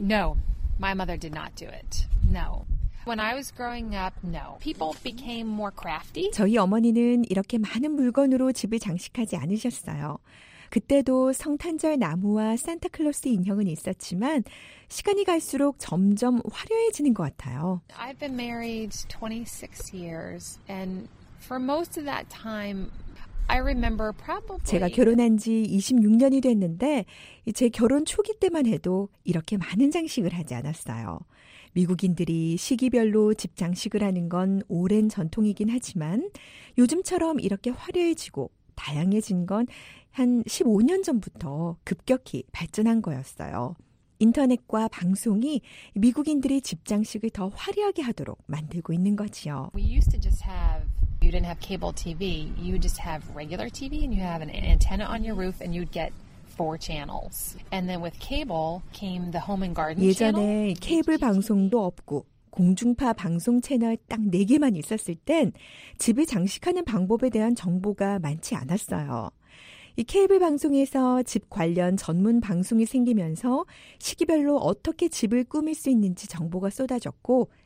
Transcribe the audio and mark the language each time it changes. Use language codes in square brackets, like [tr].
[en] No, my mother did not do it. No. When I was growing up, no. People became more crafty. [ko] 저희 어머니는 이렇게 많은 물건으로 집을 장식하지 않으셨어요. 그때도 성탄절 나무와 산타클로스 인형은 있었지만 시간이 갈수록 점점 화려해지는 것 같아요. [en] I've been married 26 years and for most of that time I remember probably [ko] 제가 결혼한 지 26년이 됐는데 제 결혼 초기 때만 해도 이렇게 많은 장식을 하지 않았어요. 미국인들이 시기별로 집 장식을 하는 건 오랜 전통이긴 하지만 요즘처럼 이렇게 화려해지고 다양해진 건 한 15년 전부터 급격히 발전한 거였어요. 인터넷과 방송이 미국인들이 집 장식을 더 화려하게 하도록 만들고 있는 거지요. [en] We used to just have you didn't have cable TV. You just have regular TV and you have an antenna on your roof and you'd get four channels. And then with cable came the home and garden channel. [ko] 예전에 케이블 방송도 없고 공중파 방송 채널 딱 4개만 있었을 땐 집을 장식하는 방법에 대한 정보가 많지 않았어요. 이 케이블 방송에서 집 관련 전문 방송이 생기면서 시기별로 어떻게 집을 꾸밀 수 있는지 정보가 쏟아졌고